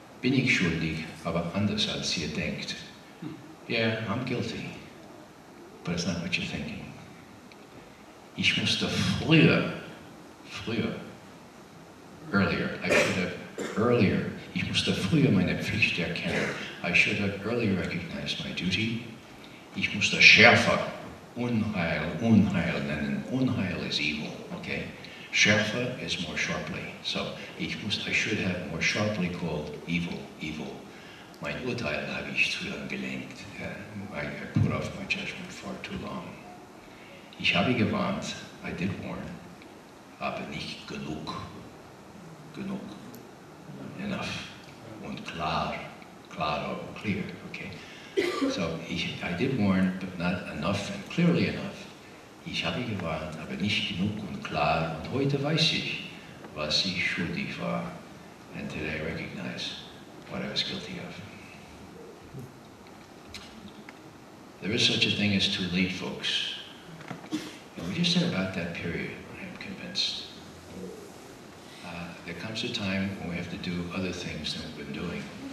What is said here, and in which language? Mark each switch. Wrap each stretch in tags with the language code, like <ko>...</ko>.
<de>Bin ich schuldig, aber anders als ihr denkt.</de> <en>Yeah, I'm guilty, but it's not what you're thinking.</en> <de>Ich musste früher,</de> <en>earlier, I should have earlier</en> <de>Ich musste früher meine Pflicht erkennen.</de> <en>I should have earlier recognized my duty.</en> <de>Ich musste schärfer Unheil, Unheil nennen.</de> <en>Unheil is evil, okay? Schärfer is more sharply. So, I should have more sharply called evil, evil.</en> <de>Mein Urteil habe ich zu lang gelenkt.</de> <en>I put off my judgment far too long.</en> <de>Ich habe gewarnt,</de> <en>I did warn,</en> <de>aber nicht genug. Genug.</de> <en>Enough.</en> <de>Und klar.</de> <en>Claro, clear, okay? So, I did warn, but not enough and clearly enough.</en> <de>Ich habe gewarnt, aber nicht genug und klar. Und heute weiß ich, was ich schuldig war.</de> <en>And today I recognize what I was guilty of. There is such a thing as too late, folks. And we just said about that period, I am convinced. There comes a time when we have to do other things than we've been doing.</en>